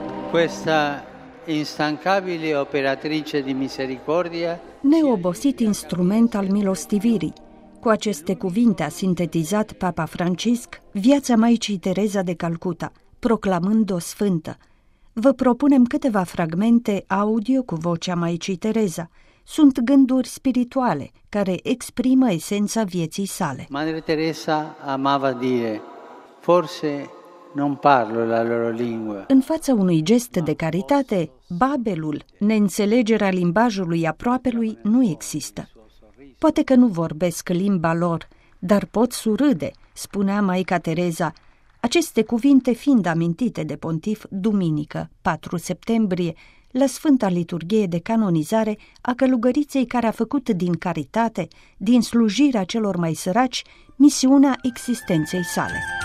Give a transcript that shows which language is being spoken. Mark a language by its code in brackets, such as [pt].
[it] Questa instancabile operatrice di misericordia, [ro] neobosit instrument al milostivirii. Cu aceste cuvinte a sintetizat Papa Francisc viața Maicii Tereza de Calcuta, proclamând-o sfântă. Vă propunem câteva fragmente audio cu vocea Maicii Tereza. Sunt gânduri spirituale care exprimă esența vieții sale. [it] Madre Teresa amava dire, forse non parlo la loro lingua. [ro] În fața unui gest de caritate, babelul, neînțelegerea limbajului aproapelui, nu există. Poate că nu vorbesc limba lor, dar pot surâde, spunea Maica Tereza, aceste cuvinte fiind amintite de pontif duminică, 4 septembrie, la Sfânta Liturghie de canonizare a călugăriței care a făcut din caritate, din slujirea celor mai săraci, misiunea existenței sale.